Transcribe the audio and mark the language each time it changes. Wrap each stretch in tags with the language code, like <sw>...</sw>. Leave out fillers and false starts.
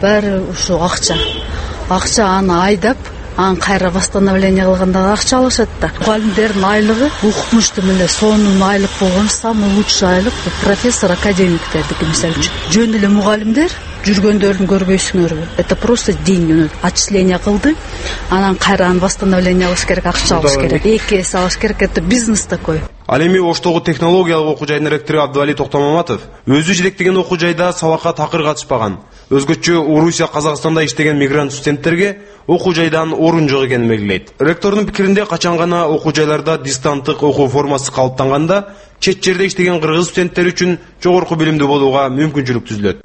<ky>Баары ушу акча. Акча аны айдап, аны кайра восстановление кылганда акча алышат да. Мугалимдердин айлыгы укмуштуу эле сонун айлык болгон,</ky> <ru>самый лучший</ru> <ky>айлык профессор академиктердики мисалы үчүн. Жөн эле мугалимдер жүргөндөрүн көрбөйсүңөрбү?</ky> <ru>Это просто деньги.</ru> <ky>Отчисление кылды, анан кайра аны восстановление алыш керек, акча алыш керек, эки эсе алыш керек.</ky> <ru>Это бизнес такой.</ru> <ky>Ал эми Оштогу технологиялык окуу жайдын ректору Абдывали Токтомаматов өзү жетектеген окуу жайда сабакка такыр катышпаган, өзгөчө Орусия Казакстанда иштеген мигрант студенттерге окуу жайдан орун жок экенин белгилейт. Ректордун пикиринде качан гана окуу жайларда дистанттык окуу формасы калыптанганда чет жерде иштеген кыргыз студенттери үчүн жогорку билимдүү болууга мүмкүнчүлүк түзүлөт.</ky>